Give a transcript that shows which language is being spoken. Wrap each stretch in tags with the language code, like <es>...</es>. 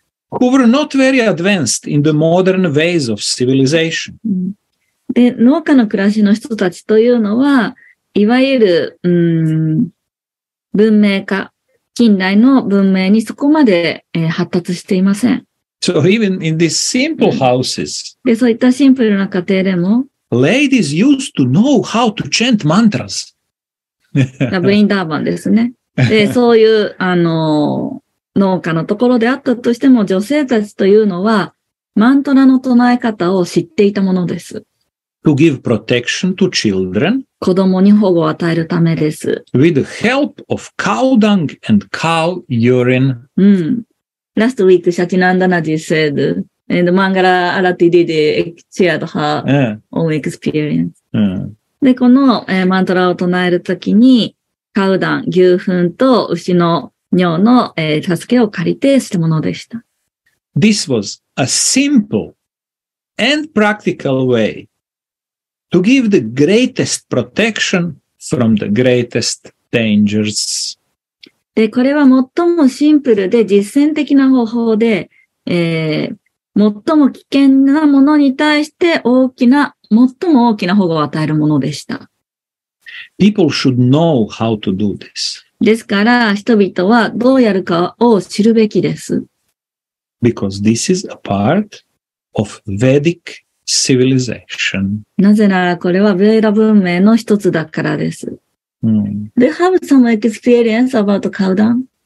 <en>Who were not very advanced in the modern ways of civilization.</en> <ja>で、農家の暮らしの人たちというのは、いわゆる、文明化、近代の文明にそこまで、発達していません。</ja> <en>So even in these simple houses,</en> <ja>で、そういったシンプルな家庭でも、</ja> <en>ladies used to know how to chant mantras.</en> <ja>ブインダーバンですね。で、そういう、農家のところであったとしても、女性たちというのは、マントラの唱え方を知っていたものです。</ja> <en>To give protection to children.</en> <ja>子供に保護を与えるためです。</ja> <en>With the help of cow dung and cow urine. Last week, Shachinandanaji said, and Mangala Arati did shared her own experience.</en> <ja>で、この、マントラを唱えるときに、カウダン、牛糞と牛の尿の、助けを借りてしたものでした。</ja> <en>This was a simple and practical way to give the greatest protection from the greatest dangers.</en> <ja>で、これは最もシンプルで実践的な方法で、最も危険なものに対して大きな、最も大きな保護を与えるものでした。</ja> <en>People should know how to do this.</en> <ja>ですから、人々はどうやるかを知るべきです。</ja> <en>Because this is a part of Vedic civilization.</en> <ja>なぜなら、これはヴェーダ文明の一つだからです。</ja> <en>Do you have some experience about cow dung?</en>